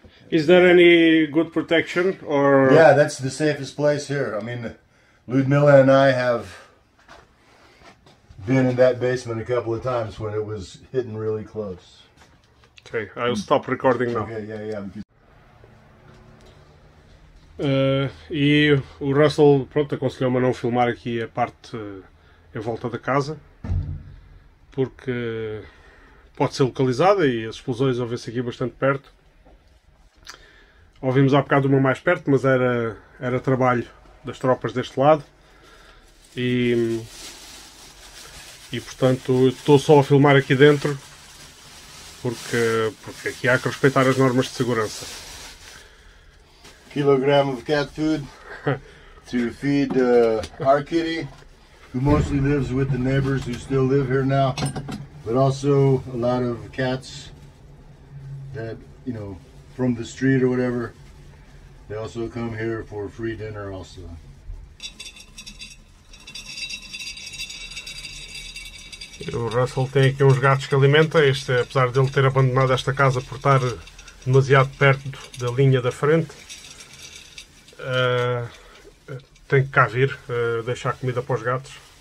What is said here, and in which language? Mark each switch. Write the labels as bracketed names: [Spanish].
[English] Is there any good protection or? Yeah, that's the safest place here. I mean, Ludmilla and I have been in that basement a couple of times when it was hitting really close. Okay, I'll stop recording now. Okay, yeah. [Portuguese] E o Russell, pronto, aconselhou-me a não filmar aqui a parte em volta da casa, porque pode ser localizada e as explosões ouvem-se aqui bastante perto. Ouvimos há bocado uma mais perto, mas era trabalho das tropas deste lado. E portanto, estou só a filmar aqui dentro. porque aqui há que respeitar as normas de segurança. [English] Kilogram of cat food to feed our kitty, who mostly lives with the neighbors who still live here now, but also a lot of cats that, you know, from the street or whatever, they also come here for free dinner also. [Portuguese] O Russell tem aqui uns gatos que alimenta, este, apesar de ele ter abandonado esta casa por estar demasiado perto da linha da frente, tem que cá vir, deixar comida para os gatos.